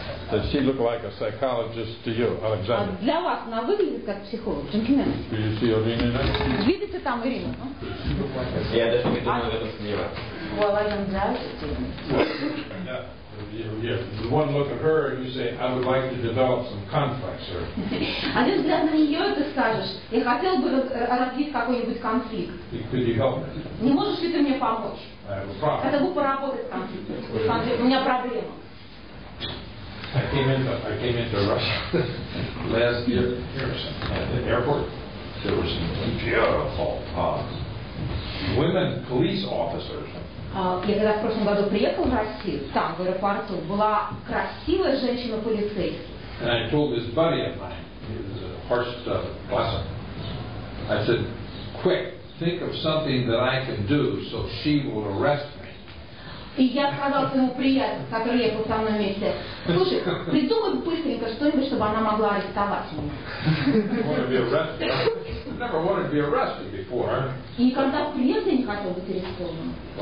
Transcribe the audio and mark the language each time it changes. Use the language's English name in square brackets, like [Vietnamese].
[English] Does she look like a psychologist to you, Alexander? [Russian] А для вас она выглядит как психолог, джентльмен? [English] Do you see Irina? [Russian] Видите там Ирину? Я даже не думал, это смело. [English] Well, I don't doubt it. You one look at her and you say, I would like to develop some conflicts, sir. [Russian] Один взгляд на нее, ты скажешь, я хотел бы развить какой-нибудь конфликт. [English] Could you help me? [Russian] Не можешь ли ты мне помочь? Хотел бы поработать с конфликтом. У меня проблема. [English] I came into Russia last year at the airport. There were some beautiful women police officers. [Russian] Я когда в прошлом году приехал в Россию, там, в аэропорту, была красивая женщина-полицейская. [English] And I told this buddy of mine, he was a horse busser. I said, quick, think of something that I can do so she will arrest me. [Russian] И я сказал своему приятелю, который ехал со мной вместе, слушай, придумай быстренько что-нибудь, чтобы она могла арестовать меня. [English] Never wanted to be arrested before. [Russian] И никогда прежде не хотел быть арестованным.